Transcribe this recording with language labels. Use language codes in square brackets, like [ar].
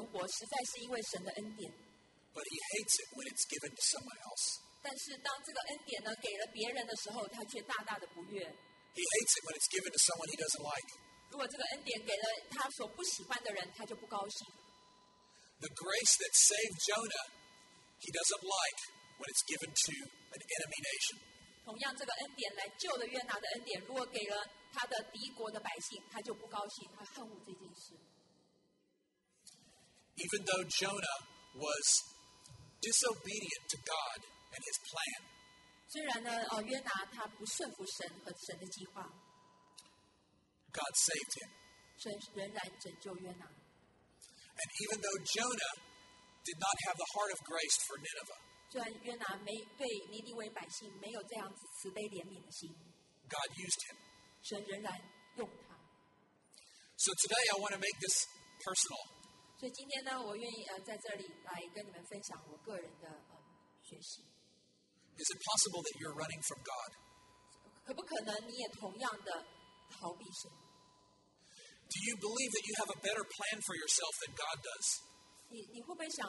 [en] But he hates it when it's given to someone else. [zh] 但是当这个恩典呢,给了别人的时候, 他却大大的不悦。 [en] He hates it when it's given to someone he doesn't like. [zh] 如果这个恩典给了他所不喜欢的人, 他就不高兴。 [en] The grace that saved Jonah, he doesn't like when it's given to an enemy nation. [zh] 同样这个恩典来救了约拿的恩典,如果给了他的敌国的百姓,他就不高兴,他恨恶这件事。 [en] Even though Jonah was disobedient to God and his plan. [zh] 虽然呢, 哦, 约拿他不顺服神和神的计划, [en] God saved him. [zh] 神仍然拯救约拿, [en] and even though Jonah did not have the heart of grace for Nineveh, [zh] 虽然约拿没有这样子慈悲怜悯的心, [en] God used him. [zh] 神仍然用他。 [en] So today I want to make this personal. [zh] 所以今天呢, 我愿意, 在这里来跟你们分享我个人的, 学习。 [en] Is it possible that you're running from God? [zh] 可不可能你也同样的逃避神? [en] Do you believe that you have a better plan for yourself than God does?